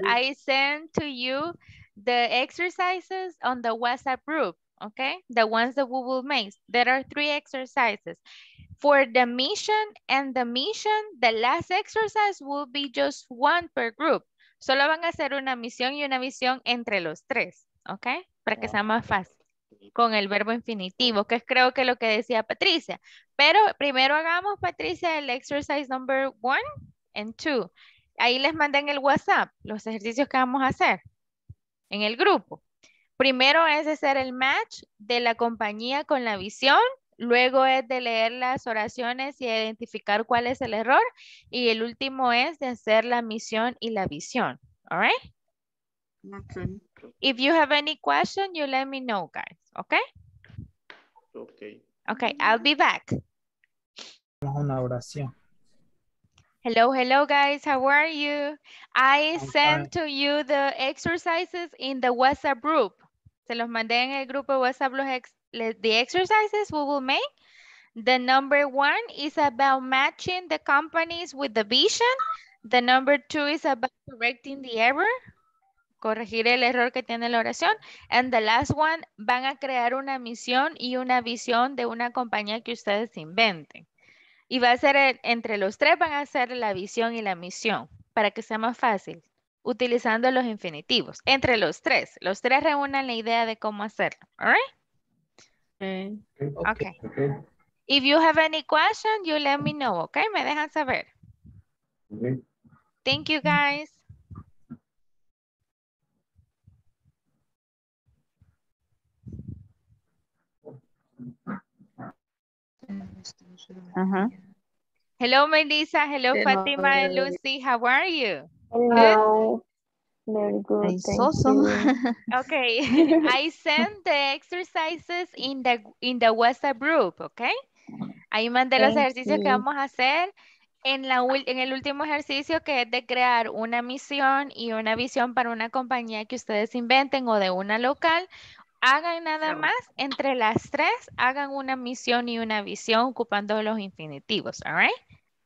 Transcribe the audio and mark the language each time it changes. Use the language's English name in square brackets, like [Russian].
[English] I sent to you the exercises on the WhatsApp group, okay? The ones that we will make. There are 3 exercises. For the mission and the mission, the last exercise will be just 1 per group. [Spanish] Solo van a hacer una misión y una visión entre los 3, ¿ok? Para que sea más fácil con el verbo infinitivo, que creo que es lo que decía Patricia. Pero primero hagamos, Patricia, el [English] exercise number 1 and 2. [Spanish] Ahí les mandé en el WhatsApp los ejercicios que vamos a hacer en el grupo. Primero es hacer el match de la compañía con la visión. Luego es de leer las oraciones y identificar cuál es el error. Y el último es de hacer la misión y la visión. [English] All right? Okay. If you have any question, you let me know, guys. Okay? Okay. Okay, I'll be back. [Spanish] Una oración. [English] Hello, hello, guys. How are you? I sent to you the exercises in the WhatsApp group. [Spanish] Se los mandé en el grupo WhatsApp [English] the exercises we will make. The number one is about matching the companies with the vision. The number two is about correcting the error. [Spanish] Corregir el error que tiene la oración. [English] And the last one, [Spanish] van a crear una misión y una visión de una compañía que ustedes inventen. Y va a ser entre los tres, van a hacer la visión y la misión, para que sea más fácil, utilizando los infinitivos. Entre los tres reúnan la idea de cómo hacerlo. [English] All right? Okay. If you have any questions, you let me know, okay? [Spanish] Me dejan saber. [English] Okay. Thank you, guys. Hello, Melissa. Hello, Fatima and Lucy. How are you? Hello. Good? Very good. Thank you. Okay. I sent the exercises in the WhatsApp group, okay? [Spanish] Ahí mandé los ejercicios que vamos a hacer en el último ejercicio, que es de crear una misión y una visión para una compañía que ustedes inventen o de una local. Hagan nada más, entre las tres, hagan una misión y una visión ocupando los infinitivos, [English] all right?